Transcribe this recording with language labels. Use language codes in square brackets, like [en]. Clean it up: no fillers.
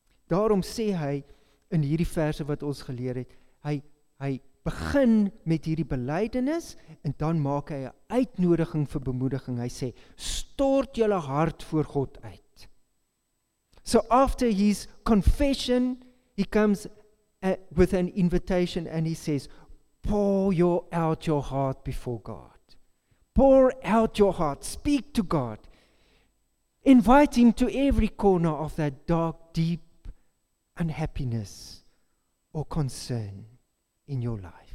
[af] Daarom sê hy in hierdie verse wat ons geleer het, hy begin met hierdie belydenis en dan maak hy 'n uitnodiging vir bemoediging. Hy sê, stort julle hart voor God uit. [en] So after his confession, he comes with an invitation and he says, pour out your heart before God. Pour out your heart. Speak to God. Invite Him to every corner of that dark, deep unhappiness or concern in your life.